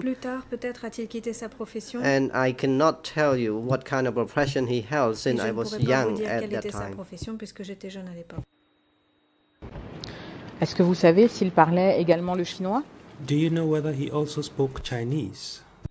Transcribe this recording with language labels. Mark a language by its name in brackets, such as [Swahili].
[French] Plus tard, peut-être a-t-il quitté sa profession. [English] And I cannot tell you what kind of profession he held since I was young at that time. [French] Puisque j'étais jeune à l'époque. Est-ce que vous savez s'il parlait également le chinois? [English] Do you know whether he also spoke Chinese?